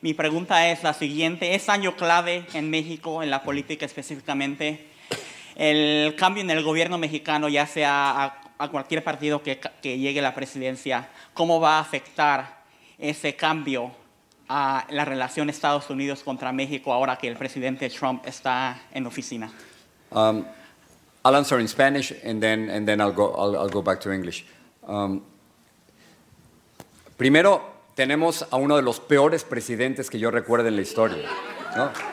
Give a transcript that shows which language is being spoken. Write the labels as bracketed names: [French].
[Spanish] Mi pregunta es la siguiente: es año clave en México en la política específicamente. El cambio en el gobierno mexicano, ya sea a cualquier partido que llegue a la presidencia, ¿cómo va a afectar ese cambio a la relación Estados Unidos contra México ahora que el presidente Trump está en oficina? [English] I'll answer in Spanish and then I'll go back to English. [Spanish] Primero, tenemos a uno de los peores presidentes que yo recuerde en la historia, ¿no?